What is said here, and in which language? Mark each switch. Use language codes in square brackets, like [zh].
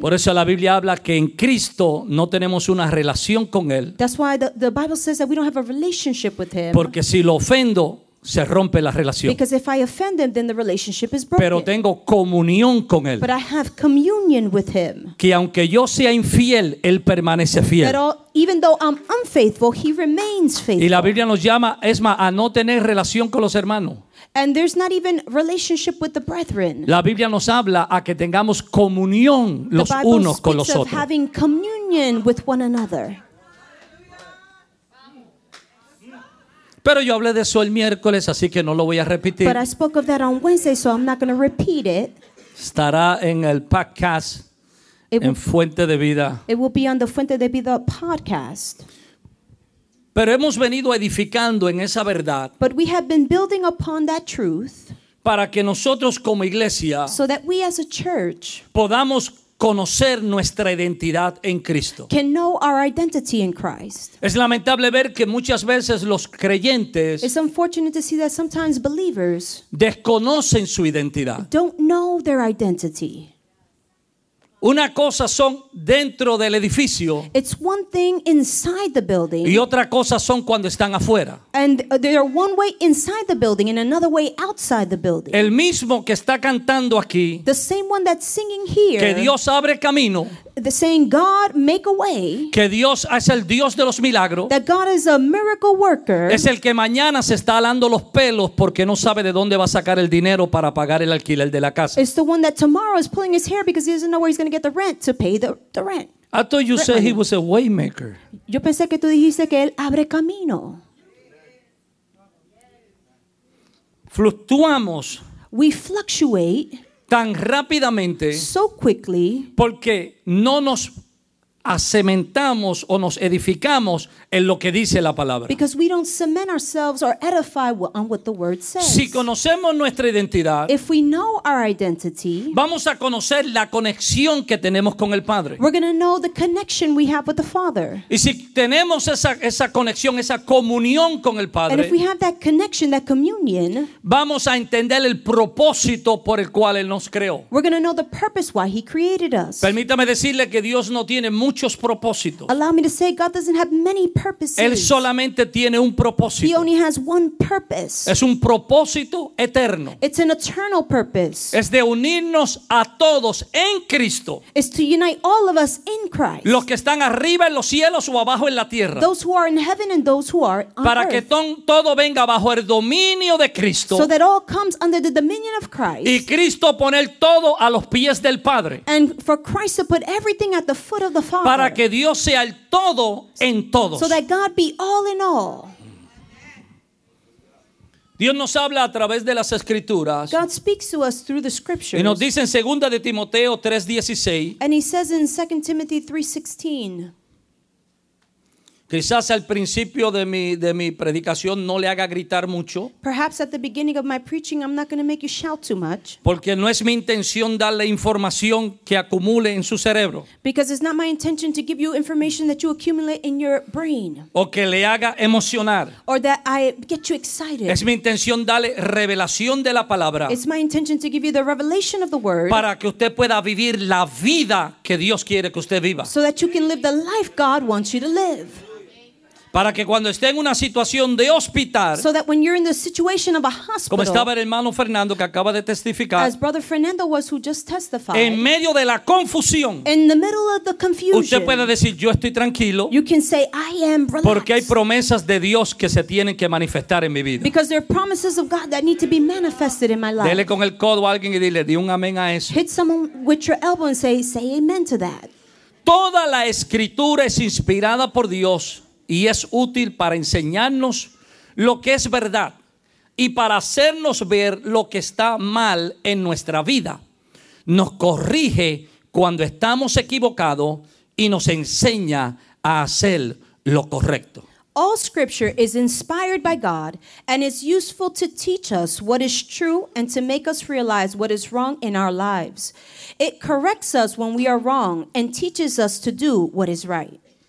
[es] Por eso la Biblia habla que en Cristo no tenemos una relación con Él. [en] That's why the Bible says that we don't have a relationship with Him. [es] Porque si lo ofendo, se rompe la relación. [en] Because if I offend Him, then the relationship is broken. [es] Pero tengo comunión con Él. [en] But I have communion with Him. [es] Que aunque yo sea infiel, Él permanece fiel. [en] Even though I'm unfaithful, He remains faithful. [es] Y la Biblia nos llama, es más, a no tener relación con los hermanos. [en] And there's not even relationship with the brethren. [es] La Biblia nos habla a que tengamos comunión los unos con los otros. [en] The Bible speaks of having communion with one another. [es] Pero yo hablé de eso el miércoles, así que no lo voy a repetir. [en] But I spoke of that on Wednesday, so I'm not going to repeat it. [es] Estará en el podcast, en Fuente de Vida. [en] It will be on the Fuente de Vida podcast. [es] Pero hemos venido edificando en esa verdad. [en] But we have been building upon that truth. [es] Para que nosotros como iglesia, [en] so that we as a church, [es] podamos conocer nuestra identidad en Cristo. [en] Can know our identity in Christ. [es] Es lamentable ver que muchas veces los creyentes, [en] it's unfortunate to see that sometimes believers, [es] desconocen su identidad. [en] Don't know their identity. [es] Una cosa son dentro del edificio, [en] it's one thing inside the building, [es] y otra cosa son cuando están afuera. [en] And they are one way inside the building and another way outside the building. [es] El mismo que está cantando aquí, [en] the same one that's singing here, [es] que Dios abre camino, [en] the saying God make a way, [es] que Dios es el Dios de los milagros, [en] that God is a miracle worker, [es] es el que mañana se está alando los pelos porque no sabe de dónde va a sacar el dinero para pagar el alquiler de la casa. [en] It's the one that tomorrow is pulling his hair because he doesn't know where he's going to get the rent to pay the rent. I thought you said he was a way maker. [es] Yo pensé que tú dijiste que él abre camino. Fluctuamos. [en] We fluctuate [es] tan rápidamente, [en] so quickly, [es] porque no nos asentamos o nos edificamos en lo que dice la palabra. [en] Because we don't cement ourselves or edify on what the word says. [es] Si conocemos nuestra identidad, [en] if we know our identity, [es] vamos a conocer la conexión que tenemos con el Padre. [en] We're going to know the connection we have with the Father. [es] Y si tenemos esa conexión, esa comunión con el Padre, [en] and if we have that connection, that communion, [es] vamos a entender el propósito por el cual Él nos creó. [en] We're going to know the purpose why He created us. [es] Permítame decirle que Dios no tiene muchos propósitos. [en] Allow me to say God doesn't have many purposes. [es] Él solamente tiene un propósito. [en] He only has one purpose. [es] Es un propósito eterno. [en] It's an eternal purpose. [es] Es de unirnos a todos en Cristo. [en] It's to unite all of us in Christ. [es] Los que están arriba en los cielos o abajo en la tierra. [en] Those who are in heaven and those who are on earth. [es] Para que todo venga bajo el dominio de Cristo. [en] So that all comes under the dominion of Christ. [es] Y Cristo poner todo a los pies del Padre. [en] And for Christ to put everything at the foot of the Father. [es] Para que Dios sea el todo en todos. [en] So that God be all in all. [es] Dios nos habla a través de las Escrituras. [en] God speaks to us through the Scriptures. [es] Y nos dice en 2 Timoteo 3:16. [en] And he says in 2 Timothy 3:16. [es] Quizás al principio de mi predicación no le haga gritar mucho. [en] Perhaps at the beginning of my preaching I'm not going to make you shout too much. [es] Porque no es mi intención darle información que acumule en su cerebro. [en] Because it's not my intention to give you information that you accumulate in your brain. [es] O que le haga emocionar. [en] Or that I get you excited. [es] Es mi intención darle revelación de la palabra. [en] It's my intention to give you the revelation of the word. [es] Para que usted pueda vivir la vida que Dios quiere que usted viva. [en] So that you can live the life God wants you to live. [es] Para que cuando esté en una situación de hospital, [en] so that when you're in the situation of a hospital, [es] como estaba el hermano Fernando que acaba de testificar, [en] as brother Fernando was who just testified, [es] en medio de la confusión, [en] in the middle of the confusion, [es] usted puede decir yo estoy tranquilo, [en] you can say I am relaxed, [es] porque hay promesas de Dios que se tienen que manifestar en mi vida, [en] because there are promises of God that need to be manifested in my life. [es] Dele con el codo a alguien y dile di un amén a eso. [en] Hit someone with your elbow and say amen to that. [es] Toda la escritura es inspirada por Dios. Y es útil para enseñarnos lo que es verdad y para hacernos ver lo que está mal en nuestra vida. Nos corrige cuando estamos equivocados y nos enseña a hacer lo correcto. [en] all scripture is inspired by God and is useful to teach us what is true and to make us realize what is wrong in our lives. It corrects us when we are wrong and teaches us to do what is right.